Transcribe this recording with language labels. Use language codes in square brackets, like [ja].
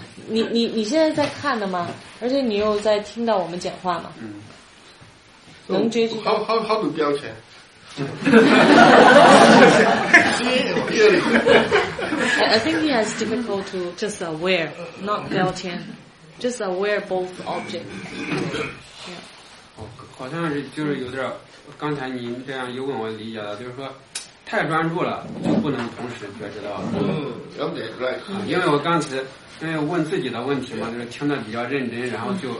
[zh] 你现在在看的吗？而且你又在听到我们讲话吗？能觉知。好多标签。 [en] I think he has difficult to just aware, not [zh] 标签。 [en] just aware both objects. [zh] Yeah. 哦，好像是就是有点刚才您这样有问我理解的，就是说太专注了就不能同时觉知到了。嗯，了解，对。因为我刚才因为问自己的问题嘛，就是听得比较认真，然后就